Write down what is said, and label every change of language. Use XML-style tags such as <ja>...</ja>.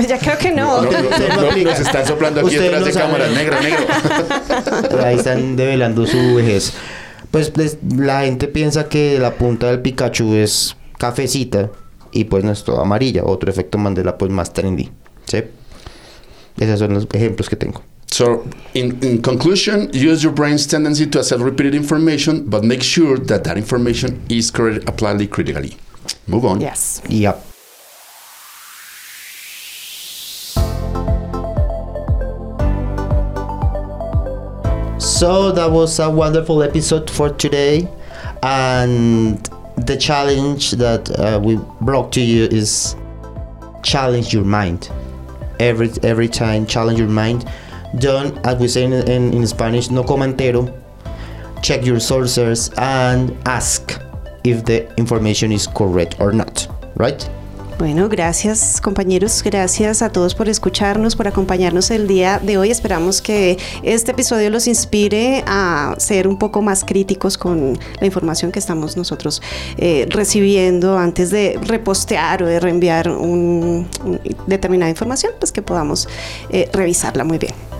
<es>Ya creo que no. Nos están soplando aquí detrás de cámara. Negro, negro. Ahí están develando su vejez. Pues la gente piensa que la punta del Pikachu es cafecita y pues no es toda amarilla. Otro efecto Mandela pues más trendy. ¿Sí? Esos son los ejemplos que tengo.</es> <en>So, in conclusion, use your brain's tendency to accept repeated information, but make sure that information is correct, applied critically. Move on. Yes. Yep. So that was a wonderful episode for today. And the challenge that we brought to you is challenge your mind. Every time, challenge your mind. Don't, as we say in Spanish,</en> <es>no comentero.</es> <en>Check your sources and ask if the information is correct or not, right?</en> <es>Bueno, gracias compañeros, gracias a todos por escucharnos, por acompañarnos el día de hoy. Esperamos que este episodio los inspire a ser un poco más críticos con la información que estamos nosotros recibiendo antes de repostear o de reenviar una determinada información, pues que podamos revisarla muy bien.</es>